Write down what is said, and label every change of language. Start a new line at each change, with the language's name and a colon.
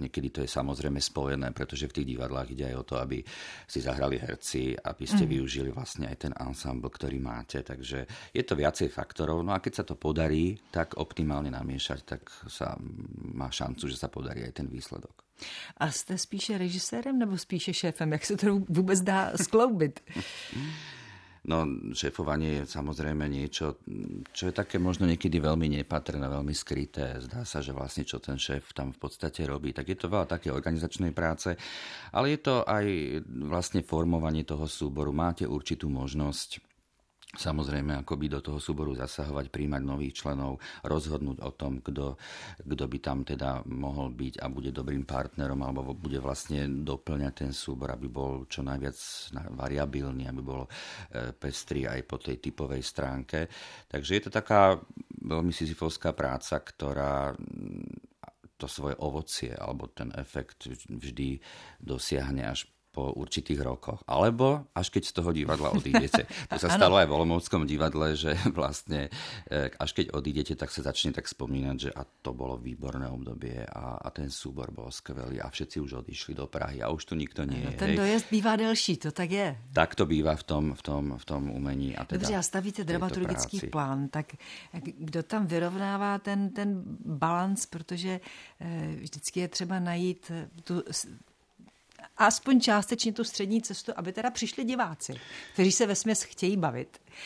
Slovak: Niekedy to je samozrejme spojené, pretože v tých divadlách ide aj o to, aby si zahrali herci, aby ste využili vlastne aj ten ansambl, ktorý máte. Takže je to viacej faktorov. No a keď sa to podarí tak optimálne namiešať, tak sa má šancu, sa podarí aj ten výsledok.
Czech: A ste spíše režisérem nebo spíše šéfem?
Slovak: Jak sa to vôbec dá skloubiť? No, šéfovanie je samozrejme niečo, čo je také možno niekedy veľmi nepatrné, veľmi skryté. Zdá sa, že vlastne čo ten šéf tam v podstate robí. Tak je to veľa také organizačnej práce, ale je to aj vlastne formovanie toho súboru. Máte určitú možnosť samozrejme akoby do toho súboru zasahovať, príjmať nových členov, rozhodnúť o tom, kto by tam teda mohol byť a bude dobrým partnerom alebo bude vlastne doplňať ten súbor, aby bol čo najviac variabilný, aby bol pestrý aj po tej typovej stránke. Takže je to taká veľmi sizyfovská práca, ktorá to svoje ovocie alebo ten efekt vždy dosiahne až po určitých rokoch. Alebo až keď z toho divadla odídete. To sa stalo aj v Olomouckom divadle, že vlastne až keď odídete, tak sa začne tak spomínať, že a to bolo výborné obdobie a ten súbor bol skvelý a všetci už odišli do Prahy a už tu nikto nie je.
Czech: Ten dojezd býva delší, to tak je.
Slovak: Tak to býva v tom umení. A teda
Czech: dobře, a stavíte dramaturgický plán, tak kdo tam vyrovnává ten balanc, protože vždycky je třeba najít tu aspoň částečně tu střední cestu, aby teda přišli diváci, kteří se vesměs chtějí bavit.